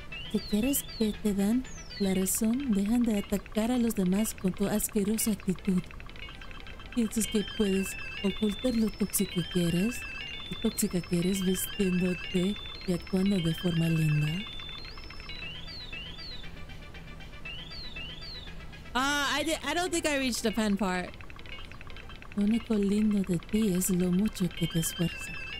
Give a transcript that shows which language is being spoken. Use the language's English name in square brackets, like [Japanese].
[Spanish] Si quieres que te den la razón, dejan de atacar a los demás con tu asquerosa actitud. ¿Piensas que puedes ocultar lo tóxico que eres? ¿Qué tóxica que eres vistiéndote y actuando de forma linda? [English] I don't think I reached the fan part. [Spanish] Lo único lindo de ti es lo mucho que te esfuerzas.